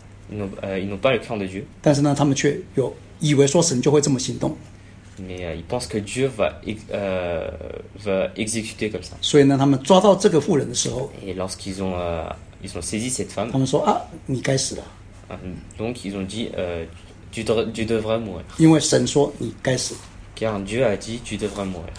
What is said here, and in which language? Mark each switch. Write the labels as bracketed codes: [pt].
[fr] Ils n'ont pas le cœur de Dieu. Mais ils pensent que Dieu va exécuter comme ça. [zh] 所以呢，他们抓到这个妇人的时候， [fr] et lorsqu'ils ont ils ont saisi cette femme, [zh] 他们说啊，你该死了。 [fr] Donc ils ont dit tu devrais mourir. [zh] 因为神说你该死。 [fr] Car Dieu a dit tu devrais mourir.